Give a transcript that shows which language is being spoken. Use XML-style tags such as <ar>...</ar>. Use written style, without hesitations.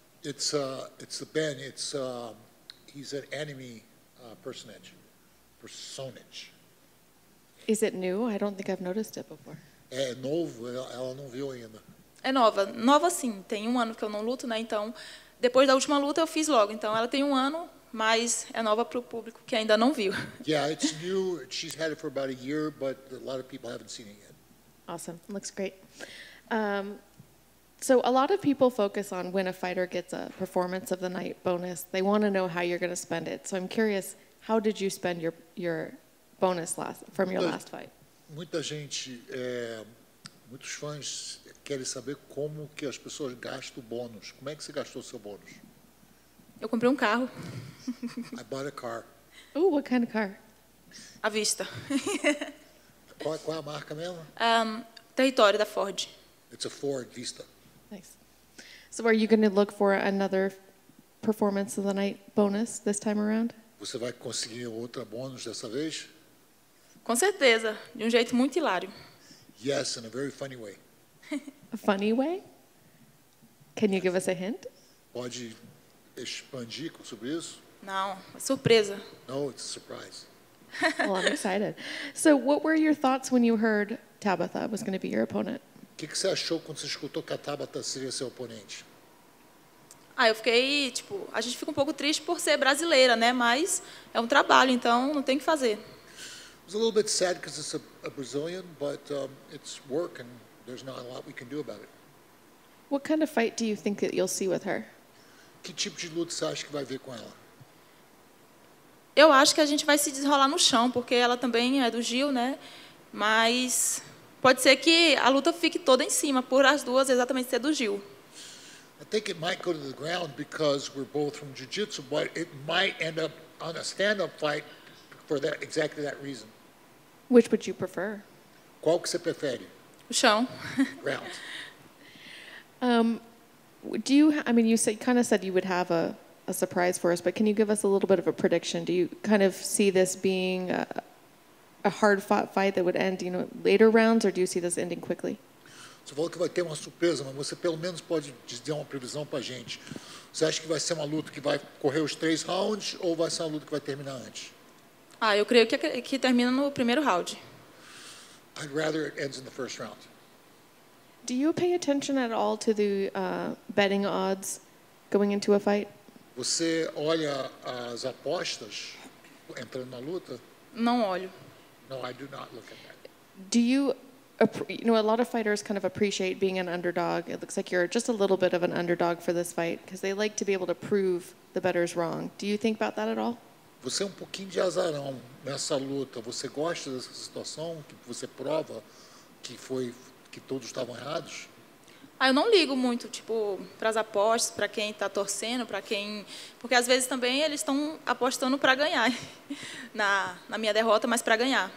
<en>It's the Pain. It's he's an anime personage. Personage. Is it new? I don't think I've noticed it before.</en> <pt>É novo, ela não viu ainda. É nova. Nova sim, tem um ano que eu não luto, né? Então, depois da última luta eu fiz logo. Então, ela tem um ano, mas é nova para o público que ainda não viu.</pt> <en>Yeah, it's new. She's had it for about a year, but a lot of people haven't seen it yet. Awesome. Looks great. So a lot of people focus on when a fighter gets a performance of the night bonus. They want to know how you're going to spend it. So I'm curious, how did you spend your bonus last from your last fight?</en> <pt>Muita gente, muitos fãs querem saber como que as pessoas gastam o bônus. Como é que você gastou seu bônus? Eu comprei um carro.</pt> <en>I bought a car. Oh, what kind of car?</en> <pt>À vista. Qual é a marca mesmo? Território da Ford.</pt> <en>It's a Ford Vista. Nice. So are you going to look for another performance of the night bonus this time around?</en> <pt>Você vai conseguir outra bônus dessa vez? Com certeza, de jeito muito hilário.</pt> <en>Yes, in a very funny way. A funny way? Can you give us a hint?</en> <pt>Pode expandir sobre isso? Não, surpresa.</pt> <en>No, it's a surprise. Well, I'm excited. So, what were your thoughts when you heard Tabitha was going to be your opponent?</en> <pt>O que você achou quando você escutou que a Tabitha seria seu oponente? Ah, eu fiquei, tipo, a gente fica um pouco triste por ser brasileira, né? Mas é um trabalho, então não tem o que fazer.</pt> <en>It's a little bit sad because it's a Brazilian, but it's work and there's not a lot we can do about it. What kind of fight do you think that you'll see with her?</en> <pt>Que tipo de luta você acha que vai ver com ela? Eu acho que a gente vai se desenrolar no chão, porque ela também é do Gil, né? Mas pode ser que a luta fique toda em cima, por as duas exatamente ser do Gil.</pt> <en>I think it might go to the ground because we're both from jiu-jitsu, but it might end up on a stand-up fight. For that, exactly that reason. Which would you prefer?</en> <pt>Qual que você prefere? O chão.</pt> <en>Ground. Do you? I mean, you kind of said you would have a surprise for us, but can you give us a little bit of a prediction? Do you kind of see this being a hard-fought fight that would end, you know, later rounds, or do you see this ending quickly?</en> <pt>Você falou que vai ter uma surpresa, mas você pelo menos pode dizer uma previsão para a gente. Você acha que vai ser uma luta que vai correr os três rounds ou vai ser uma luta que vai terminar antes? Ah, eu creio que termina no primeiro round.</pt> <en>I'd rather it ends in the first round. Do you pay attention at all to the betting odds going into a fight?</en> <pt>Você olha as apostas entrando na luta? Não olho.</pt> <en>No, I do not look at that. Do you, you know, a lot of fighters kind of appreciate being an underdog. It looks like you're just a little bit of an underdog for this fight because they like to be able to prove the bettors wrong. Do you think about that at all?</en> <pt>Você é um pouquinho de azarão nessa luta. Você gosta dessa situação? Que você prova que foi que todos estavam errados? Ah, eu não ligo muito, tipo, para as apostas, para quem está torcendo, para quem... Porque, às vezes, também, eles estão apostando para ganhar na minha derrota, mas para ganhar.</pt>